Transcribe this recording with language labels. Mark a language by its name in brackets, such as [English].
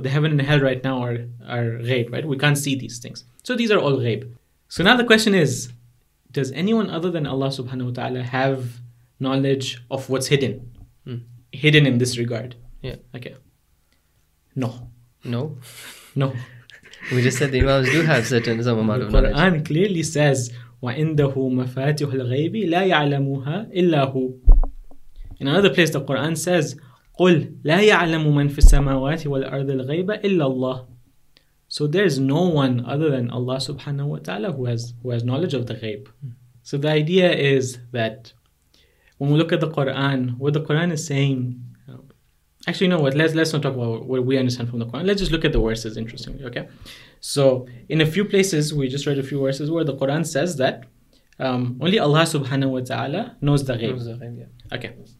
[English] The heaven and hell right now are ghaib, right? We can't see these things. So these are all ghaib. So now the question is, does anyone other than Allah subhanahu wa ta'ala have knowledge of what's hidden? Hidden in this regard? Yeah. Okay. No. No? No. We just said the imams do have certain some amount of knowledge. The Quran clearly says, [Arabic] وَإِنْدَهُ مَفَاتِحُ الْغَيْبِ لَا يَعْلَمُهَا إِلَّا هُوَ. [English] In another place, the Quran says, [Arabic] قُلْ لَا يَعْلَمُ مَنْ فِي السَّمَاوَاتِ وَالْأَرْضِ الْغَيْبَ إِلَّا اللَّهِ. [English] So there is no one other than Allah subhanahu wa ta'ala who has knowledge of the ghaib. So the idea is that when we look at the Quran, what the Quran is saying, actually, you know what, let's not talk about what we understand from the Quran. Let's just look at the verses, interestingly, okay? So in a few places, we just read a few verses where the Quran says that only Allah subhanahu wa ta'ala knows the ghaib. Okay.